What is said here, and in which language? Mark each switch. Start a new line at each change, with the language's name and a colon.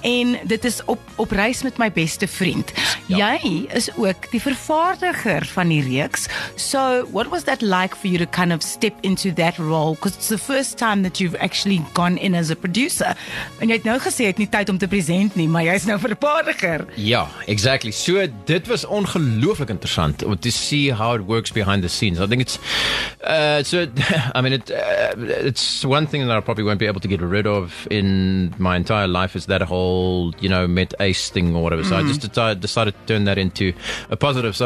Afrikaans: En dit is op reis met my beste vriend. Ja. Jy is ook die vervaardiger van die reeks.
English: So, what was that like for you to kind of step into that role? Because it's the first time that you've actually gone in as a producer.
Afrikaans: En jy het nou gesê, het nie tyd om te present nie, maar jy is nou vervaardiger.
English: Ja, exactly. So,
Afrikaans: dit was ongelooflik interessant
English: to see how it works behind the scenes. I think it's, it's one thing that I probably won't be able to get rid of in my entire life is that whole, you know, Met Ace thing or whatever. So I just decided to turn that into a positive.